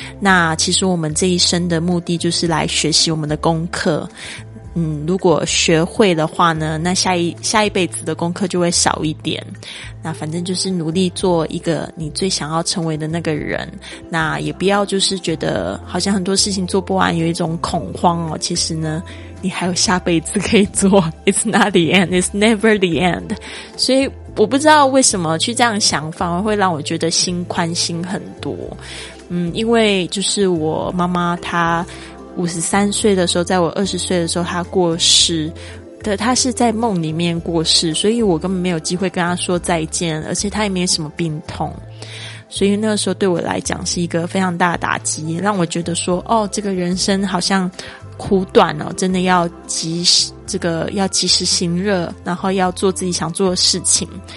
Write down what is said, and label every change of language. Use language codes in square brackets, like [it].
[zh] 那其实我们这一生的目的就是来学习我们的功课，如果学会的话呢，那下一辈子的功课就会少一点。那反正就是努力做一个你最想要成为的那个人，那也不要就是觉得好像很多事情做不完有一种恐慌哦。其实呢你还有下辈子可以做。 [en] It's not the end, it's never the end。 [zh] 所以我不知道为什么去这样想，反而会让我觉得心宽心很多。因为就是我妈妈她53岁的时候，在我20岁的时候她过世，她是在梦里面过世，所以我根本没有机会跟她说再见，而且她也没有什么病痛，所以那个时候对我来讲是一个非常大的打击，让我觉得说哦，这个人生好像苦短哦，真的要及时行乐，然后要做自己想做的事情。